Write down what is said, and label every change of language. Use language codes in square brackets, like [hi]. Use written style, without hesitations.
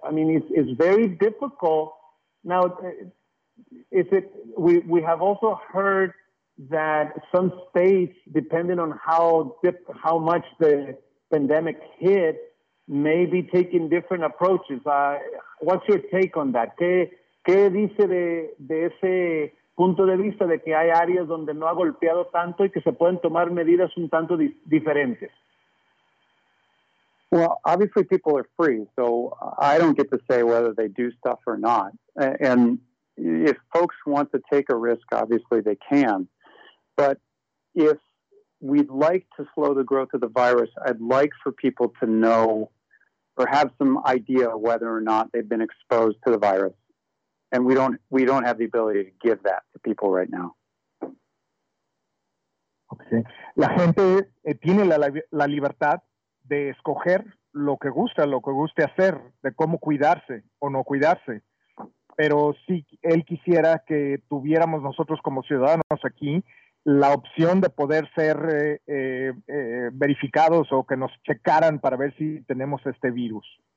[en] I mean, it's very difficult. Now, we have also heard that some states, depending on how much the pandemic hit, may be taking different approaches. What's your take on that? [es] ¿Qué dice de ese punto de vista de que hay áreas donde no ha golpeado tanto y que se pueden tomar medidas un tanto diferentes? [en] Well, obviously people are free, so I don't get to say whether they do stuff or not. And if folks want to take a risk, obviously they can. But if we'd like to slow the growth of the virus, I'd like for people to know or have some idea whether or not they've been exposed to the virus. And we don't have the ability to give that to people right now. Okay. [es] La gente tiene la libertad de escoger lo que guste hacer, de cómo cuidarse o no cuidarse. Pero si él quisiera que tuviéramos nosotros como ciudadanos aquí la opción de poder ser verificados o que nos checaran para ver si tenemos este virus.